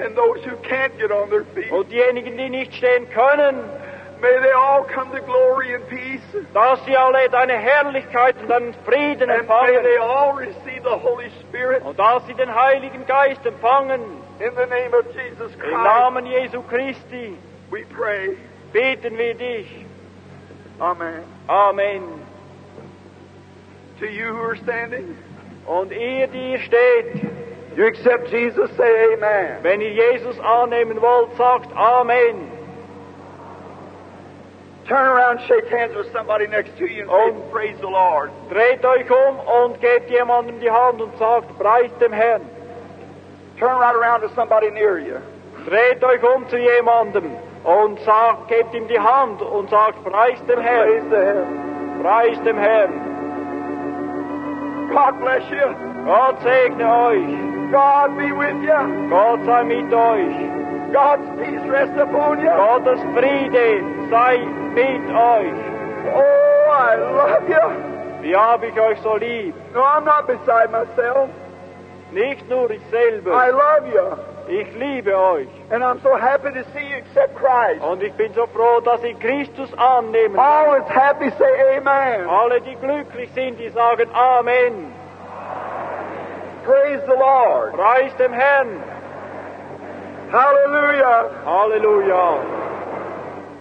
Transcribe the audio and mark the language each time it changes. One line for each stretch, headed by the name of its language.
English: And those who can't get on their feet.
German: Und diejenigen, die nicht stehen können.
English: May they all come to glory and peace.
German: Dass sie alle deine Herrlichkeit und deinen Frieden empfangen.
English: And may they all receive the Holy Spirit.
German: Und dass sie den Heiligen Geist empfangen.
English: In the name of Jesus Christ.
German: Im Namen Jesu Christi.
English: We pray.
German: Beten wir dich. Amen. Amen.
English: To you who are standing.
German: Und ihr, die ihr steht.
English: You accept Jesus, say amen.
German: Wenn ihr Jesus annehmen wollt, sagt amen.
English: Turn around, shake hands with somebody next to you and say, praise the Lord.
German: Dreht euch um und gebt jemandem die Hand und sagt, preist dem Herrn.
English: Turn right around to somebody near you.
German: Dreht euch um zu jemandem und sagt, gebt ihm die Hand und sagt, preist dem Herrn.
English: Praise the Herrn.
German: Preist dem Herrn.
English: God bless you.
German: Gott segne euch.
English: God be with you.
German: Gott sei mit euch.
English: God's peace rest upon you.
German: Gottes Friede sei mit euch.
English: Oh, I love you.
German: Wie hab ich euch so lieb.
English: No, I'm not beside myself.
German: Nicht nur ich selber.
English: I love you.
German: Ich liebe euch.
English: And I'm so happy to see you accept Christ.
German: Und ich bin so froh, dass ich Christus annehme.
English: All is happy, say amen.
German: Alle, die glücklich sind, die sagen amen.
English: Praise the Lord.
German: Preist dem Herrn. Hallelujah. Hallelujah.